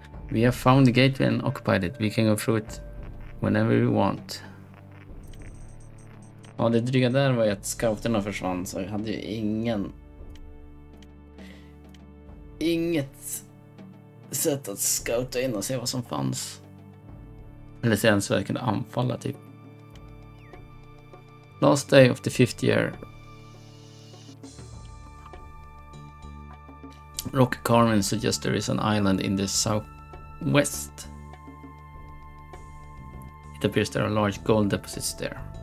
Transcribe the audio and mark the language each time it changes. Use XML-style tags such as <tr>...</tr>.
<en>We have found the gateway and occupied it. We can go through it whenever we want.</en> <sv>Ja, det dryga där var ju att scouterna försvann, så jag hade ju ingen... inget sätt att scouta in och se vad som fanns. Eller se ens vad jag kunde anfalla, typ.</sv> <en>Last day of the fifth year. Rock Carmen suggests there is an island in the southwest. It appears there are large gold deposits there.</en>